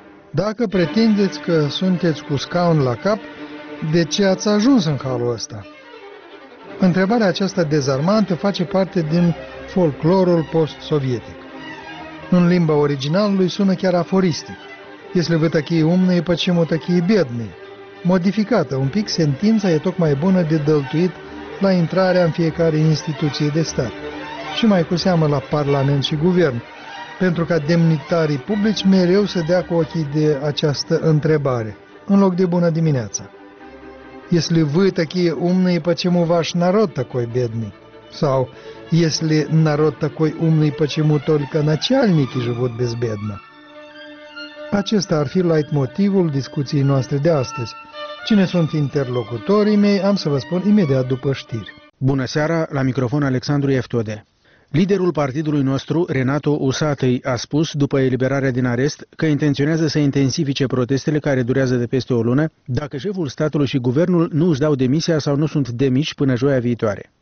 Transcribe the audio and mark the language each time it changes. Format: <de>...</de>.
<ro>Dacă pretindeți că sunteți cu scaun la cap, de ce ați ajuns în halul ăsta? Întrebarea aceasta dezarmantă face parte din folclorul post-sovietic. În limba originală lui sună chiar aforistic.</ro> <ru>Если вы такие умные, почему такие бедные?</ru> <ro>Modificată un pic, sentința e tocmai bună de dăltuit la intrarea în fiecare instituție de stat. Și mai cu seamă la parlament și guvern, pentru ca demnitarii publici mereu să dea cu ochii de această întrebare, în loc de bună dimineața.</ro> <ru>Если вы такие умные, почему ваш народ такой бедный? Sau, если народ такой умный, почему только начальники живут безбедно?</ru> <ro>Acesta ar fi leitmotivul discuției noastre de astăzi. Cine sunt interlocutorii mei, am să vă spun imediat după știri. Bună seara, la microfon Alexandru Eftode. Liderul partidului nostru, Renato Usatăi, a spus, după eliberarea din arest, că intenționează să intensifice protestele care durează de peste o lună, dacă șeful statului și guvernul nu își dau demisia sau nu sunt demiși până joia viitoare.</ro>